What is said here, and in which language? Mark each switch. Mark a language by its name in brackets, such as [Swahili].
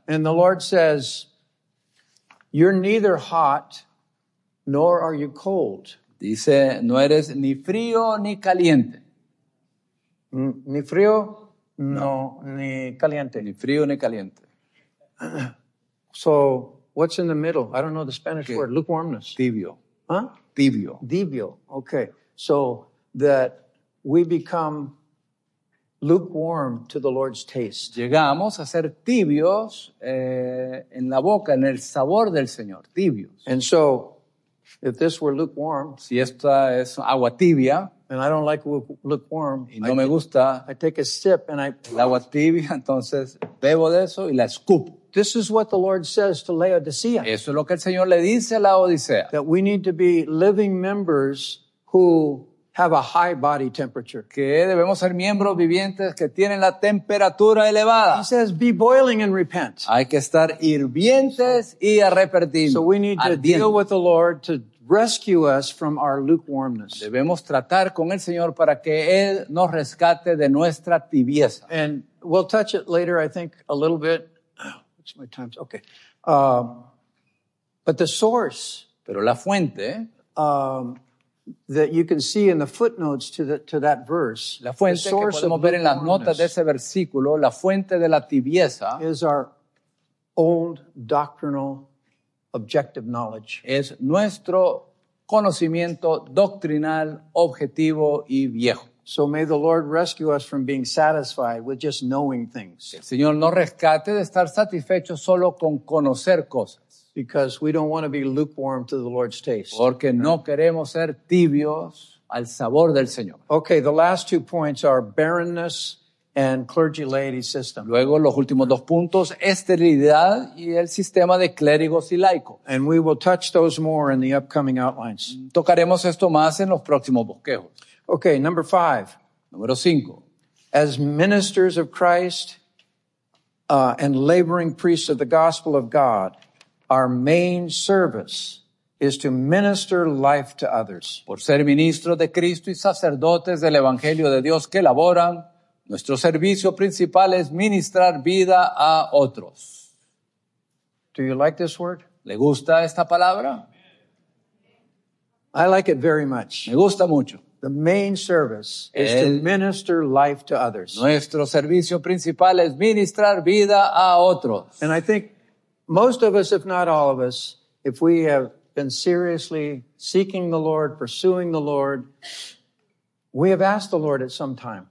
[English] And the Lord says, you're neither hot nor are you cold. [Spanish] Dice, no eres ni frío ni caliente. Ni frío, no, ni caliente. Ni frío ni caliente. [English] So, what's in the middle? I don't know the Spanish word. Lukewarmness. [Spanish] Tibio. Huh? Tibio. Tibio. Okay. [English] So, that we become lukewarm to the Lord's taste. [Spanish] Llegamos a ser tibios en la boca, en el sabor del Señor. Tibios. [English] And so, if this were lukewarm, [Spanish] si esta es agua tibia, [English] and I don't like lukewarm, [Spanish] y no me gusta, [English] I take a sip and I... [Spanish] El agua tibia, entonces bebo de eso y la escupo. [English] This is what the Lord says to Laodicea. [Spanish] Eso es lo que el Señor le dice a la Odisea. [English] That we need to be living members who have a high body temperature. [Spanish] Que debemos ser miembros vivientes que tienen la temperatura elevada. [English] He says, be boiling and repent. [Spanish] Hay que estar hirvientes y arrepentidos. [English] So we need to deal with the Lord to rescue us from our lukewarmness. Debemos tratar con el Señor para que Él nos rescate de nuestra tibieza. And we'll touch it later, I think, a little bit. What's my time? Okay. But the source. [Spanish] Pero la fuente. [English] That you can see in the footnotes to that verse. [Spanish] La fuente [English] the source [Spanish] que podemos ver en las notas de ese versículo, la fuente de la tibieza, [English] is our old doctrinal objective knowledge. [Spanish] Es nuestro conocimiento doctrinal objetivo y viejo. [English] So may the Lord rescue us from being satisfied with just knowing things. [Spanish] El Señor nos rescate de estar satisfechos solo con conocer cosas. [English] Because we don't want to be lukewarm to the Lord's taste. [Spanish] Porque no queremos ser tibios al sabor del Señor. [English] Okay, the last two points are barrenness and clergy-laity system. [Spanish] Luego, los últimos dos puntos, esterilidad y el sistema de clérigos y laicos. [English] And we will touch those more in the upcoming outlines. [Spanish] Tocaremos esto más en los próximos bosquejos. [English] Okay, number five. [Spanish] Número cinco. [English] As ministers of Christ and laboring priests of the gospel of God, our main service is to minister life to others. [Spanish] Por ser ministros de Cristo y sacerdotes del Evangelio de Dios que laboran, nuestro servicio principal es ministrar vida a otros. [English] Do you like this word? [Spanish] ¿Le gusta esta palabra? [English] I like it very much. [Spanish] Me gusta mucho. [English] The main service is to minister life to others. [Spanish] Nuestro servicio principal es ministrar vida a otros. [English] And I think most of us, if not all of us, if we have been seriously seeking the Lord, pursuing the Lord, we have asked the Lord at some time.